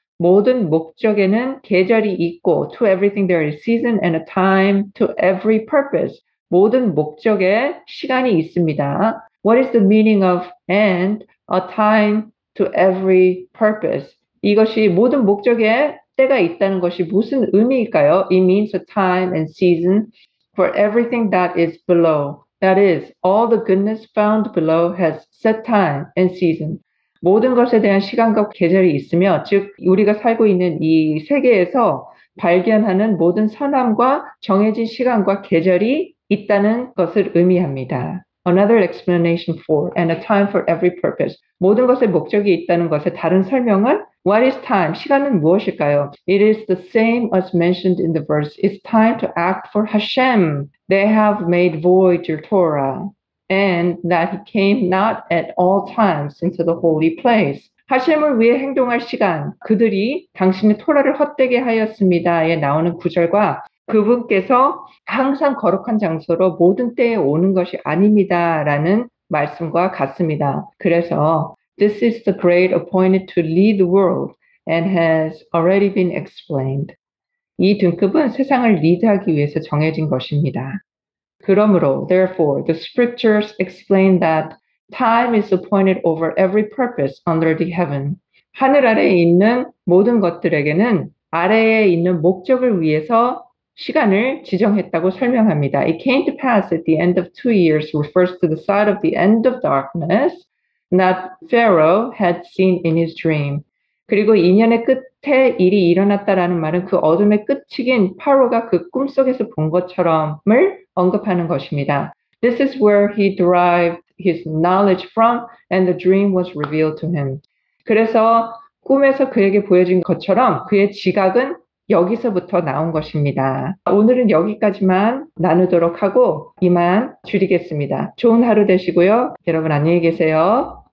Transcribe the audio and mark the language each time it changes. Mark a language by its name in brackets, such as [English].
[Korean] 모든 목적에는 계절이 있고, [English] to everything there is season and a time, to every purpose. [Korean] 모든 목적에 시간이 있습니다. [English] What is the meaning of and a time to every purpose? [Korean] 이것이 모든 목적에 때가 있다는 것이 무슨 의미일까요? [English] It means a time and season for everything that is below. That is, all the goodness found below has set time and season. [Korean] 모든 것에 대한 시간과 계절이 있으며, 즉, 우리가 살고 있는 이 세계에서 발견하는 모든 선함과 정해진 시간과 계절이 있다는 것을 의미합니다. [English] Another explanation for and a time for every purpose. [Korean] 모든 것에 목적이 있다는 것의 다른 설명은 [English] What is time? [Korean] 시간은 무엇일까요? [English] It is the same as mentioned in the verse. It's time to act for Hashem. They have made void your Torah. And that he came not at all times into the holy place. [Korean] 하셈을 위해 행동할 시간, 그들이 당신의 토라를 헛되게 하였습니다에 나오는 구절과 그분께서 항상 거룩한 장소로 모든 때에 오는 것이 아닙니다라는 말씀과 같습니다. 그래서 [English] This is the great appointed to lead the world and has already been explained. [Korean] 이 등급은 세상을 리드하기 위해서 정해진 것입니다. 그러므로, [English] therefore, the scriptures explain that time is appointed over every purpose under the heaven. [Korean] 하늘 아래에 있는 모든 것들에게는 아래에 있는 목적을 위해서 시간을 지정했다고 설명합니다. [English] It came to pass at the end of 2 years refers to the side of the end of darkness that Pharaoh had seen in his dream. [Korean] 그리고 2년의 끝에 일이 일어났다라는 말은 그 어둠의 끝이긴 파로가 그 꿈속에서 본 것처럼을 언급하는 것입니다. [English] This is where he derived his knowledge from and the dream was revealed to him. [Korean] 그래서 꿈에서 그에게 보여진 것처럼 그의 지각은 여기서부터 나온 것입니다. 오늘은 여기까지만 나누도록 하고 이만 줄이겠습니다. 좋은 하루 되시고요. 여러분 안녕히 계세요.